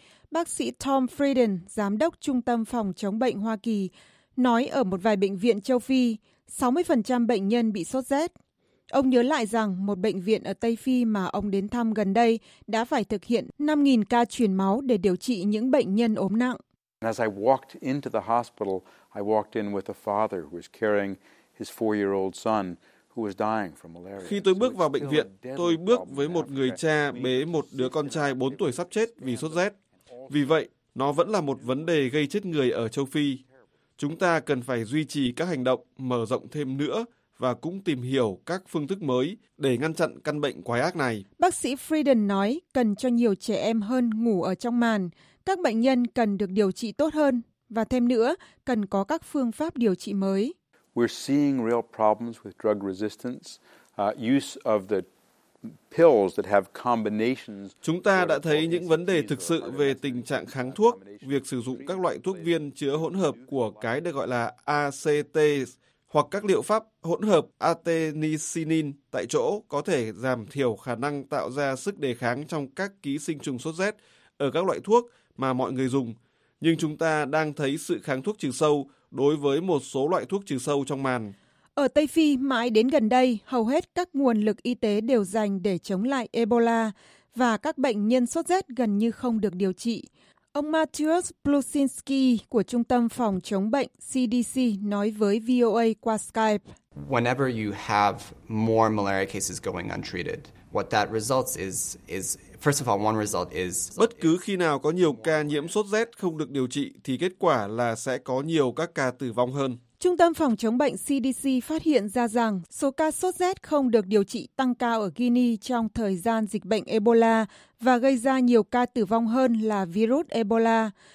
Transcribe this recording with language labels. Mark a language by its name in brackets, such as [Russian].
[Vietnamese] Bác sĩ Tom Frieden, Giám đốc Trung tâm Phòng chống bệnh Hoa Kỳ, nói ở một vài bệnh viện châu Phi, 60% bệnh nhân bị sốt rét. Ông nhớ lại rằng một bệnh viện ở Tây Phi mà ông đến thăm gần đây đã phải thực hiện 5.000 ca truyền máu để điều trị những bệnh nhân ốm nặng. [English] As I walked into the hospital, I walked in with a father who was carrying his 4-year-old son who was dying from malaria. [Vietnamese] Khi tôi bước vào bệnh viện, tôi bước với một người cha bế một đứa con trai 4 tuổi sắp chết vì sốt rét. Vì vậy, nó vẫn là một vấn đề gây chết người ở châu Phi. Chúng ta cần phải duy trì các hành động mở rộng thêm nữa và cũng tìm hiểu các phương thức mới để ngăn chặn căn bệnh quái ác này. Bác sĩ Frieden nói cần cho nhiều trẻ em hơn ngủ ở trong màn, các bệnh nhân cần được điều trị tốt hơn và thêm nữa cần có các phương pháp điều trị mới. [English] We're seeing real problems with drug resistance, use of the pills that have combinations. [Vietnamese] Chúng ta đã thấy những vấn đề thực sự về tình trạng kháng thuốc, việc sử dụng các loại thuốc viên chứa hỗn hợp của cái được gọi là ACT hoặc các liệu pháp hỗn hợp artemisinin tại chỗ có thể giảm thiểu khả năng tạo ra sức đề kháng trong các ký sinh trùng sốt rét ở các loại thuốc mà mọi người dùng. Nhưng chúng ta đang thấy sự kháng thuốc trừ sâu đối với một số loại thuốc trừ sâu trong màn. Ở Tây Phi, mãi đến gần đây, hầu hết các nguồn lực y tế đều dành để chống lại Ebola và các bệnh nhân sốt rét gần như không được điều trị. Ông Matthias Plusinski của Trung tâm Phòng chống bệnh CDC nói với VOA qua Skype. [English] Whenever you have more malaria cases going untreated, what that results is first of all, one result is [Vietnamese] bất cứ khi nào có nhiều ca nhiễm sốt rét không được điều trị thì kết quả là sẽ có nhiều các ca tử vong hơn. Trung tâm Phòng chống bệnh CDC phát hiện ra rằng số ca sốt rét không được điều trị tăng cao ở Guinea trong thời gian dịch bệnh Ebola và gây ra nhiều ca tử vong hơn là virus Ebola.